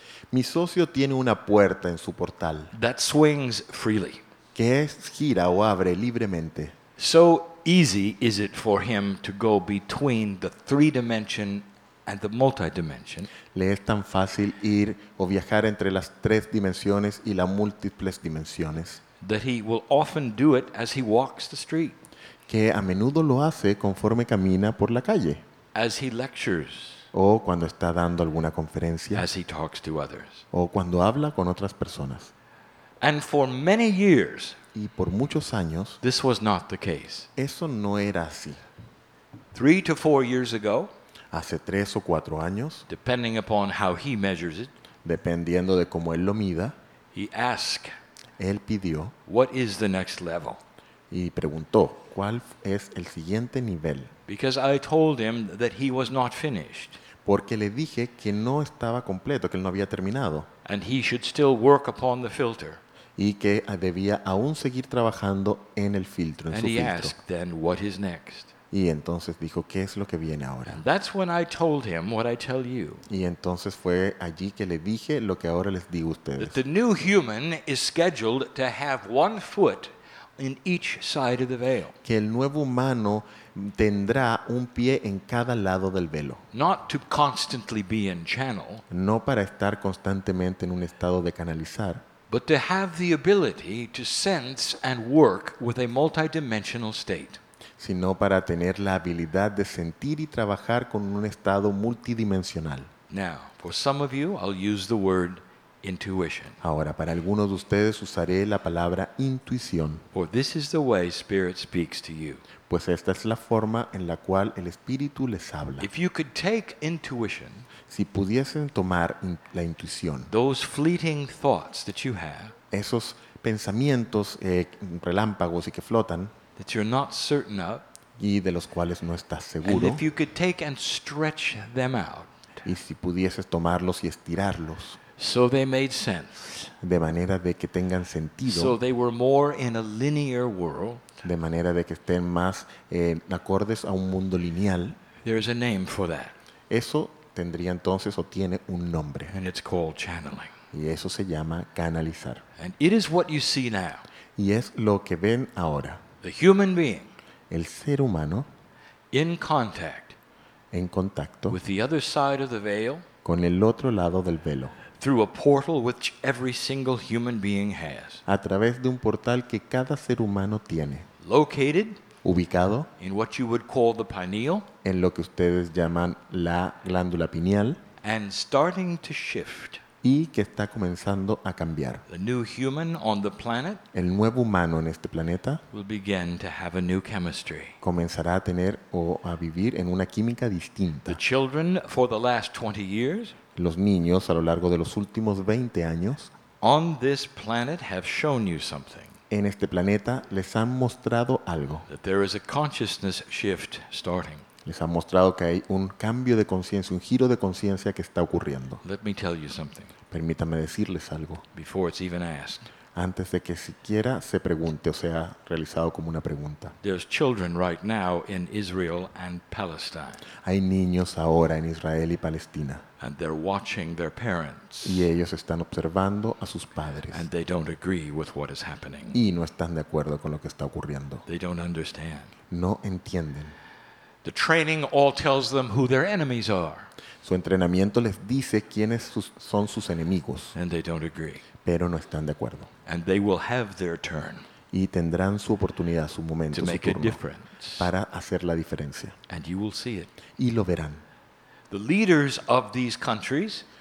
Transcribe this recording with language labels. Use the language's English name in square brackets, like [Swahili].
[Spanish] Mi socio tiene una puerta en su portal. [English] That swings freely. [Spanish] Que gira o abre libremente. [English] So easy is it for him to go between the three dimension and the multi-dimension. [Spanish] Le es tan fácil ir o viajar entre las tres dimensiones y las múltiples dimensiones. [English] That he will often do it as he walks the street. [Spanish] Que a menudo lo hace conforme camina por la calle. [English] As he lectures. [Spanish] O cuando está dando alguna conferencia. [English] As he talks to others. [Spanish] O cuando habla con otras personas. [English] And for many years. [Spanish] Y por muchos años. [English] This was not the case. [Spanish] Eso no era así. [English] 3 to 4 years ago. [Spanish] Hace 3 o 4 años. [English] Depending upon how he measures it. [Spanish] Dependiendo de cómo él lo mida. [English] He asked. [Spanish] Él pidió. [English] What is the next level? [Spanish] Y preguntó, ¿cuál es el siguiente nivel? [English] Because I told him that he was not finished. [Spanish] Porque le dije que no estaba completo, que él no había terminado. [English] And he should still work upon the filter. [Spanish] Y que debía aún seguir trabajando en el filtro, en [English] and [Spanish] su [English] he [Spanish] filtro. [English] Asked then, what is next? [Spanish] Y entonces dijo, ¿qué es lo que viene ahora? [English] And that's when I told him what I tell you. [Spanish] Y entonces fue allí que le dije lo que ahora les digo a ustedes. [English] That the new human is scheduled to have 1 foot in each side of the veil. [Spanish] Que el nuevo humano tendrá un pie en cada lado del velo. [English] Not to constantly be in channel. [Spanish] No para estar constantemente en un estado de canalizar. [English] But to have the ability to sense and work with a multidimensional state. [Spanish] Sino para tener la habilidad de sentir y trabajar con un estado multidimensional. [English] Now, for some of you, I'll use the word intuition. [Spanish] Ahora, para algunos de ustedes usaré la palabra intuición. [English] For this is the way spirit speaks to you. [Spanish] Pues esta es la forma en la cual el espíritu les habla. [English] If you could take intuition, [Spanish] si pudiesen tomar la intuición, [English] those fleeting thoughts that you have, [Spanish] esos pensamientos relámpagos y que flotan, [English] that you're not certain of, [Spanish] y de los cuales no estás seguro, [English] and if you could take and stretch them out, [Spanish] y si pudieses tomarlos y estirarlos, [English] so they made sense, [Spanish] de manera de que tengan sentido, [English] so they were more in a linear world, [Spanish] de manera de que estén más acordes a un mundo lineal. [English] There is a name for that. [Spanish] Eso tendría entonces o tiene un nombre. [English] And it's called channeling. [Spanish] Y eso se llama canalizar. [English] And it is what you see now. [Spanish] Y es lo que ven ahora. [English] The human being, [Spanish] el ser humano, [English] in contact, [Spanish] en contacto, [English] with the other side of the veil, [Spanish] con el otro lado del velo. [English] Through a portal which every single human being has. [Spanish] A través de un portal que cada ser humano tiene. [English] Located. [Spanish] Ubicado. [English] In what you would call the pineal. [Spanish] En lo que ustedes llaman la glándula pineal. [English] And starting to shift. [Spanish] Y que está comenzando a cambiar. [English] The new human on the planet. [Spanish] El nuevo humano en este planeta. [English] Will begin to have a new chemistry. [Spanish] Comenzará a tener o a vivir en una química distinta. [English] The children for the last 20 years. [Spanish] Los niños a lo largo de los últimos 20 años [English] on this planet have shown you something. [Spanish] En este planeta les han mostrado algo. [English] That there is a consciousness shift starting. [Spanish] Les han mostrado que hay un cambio de conciencia, un giro de conciencia que está ocurriendo. [English] Let me tell you something. [Spanish] Permítame decirles algo. [English] Before it's even asked. [Spanish] Antes de que siquiera se pregunte o sea realizado como una pregunta. [English] There's children right now in Israel and Palestine. [Spanish] Hay niños ahora en Israel y Palestina. [English] And they're watching their parents. [Spanish] Y ellos están observando a sus padres. [English] And they don't agree with what is happening. [Spanish] Y no están de acuerdo con lo que está ocurriendo. [English] They don't understand. [Spanish] No entienden. [English] The training all tells them who their enemies are. [Spanish] Su entrenamiento les dice quiénes son sus enemigos. [English] And they don't agree. [Spanish] Pero no están de acuerdo. [English] And they will have their turn. [Spanish] Y tendrán su oportunidad, su momento, [English] to [Spanish] su [English] make [Spanish] turno, [English] a difference. [Spanish] Para hacer la diferencia. [English] And you will see it. [Spanish] Y lo verán. [English] The leaders of these countries,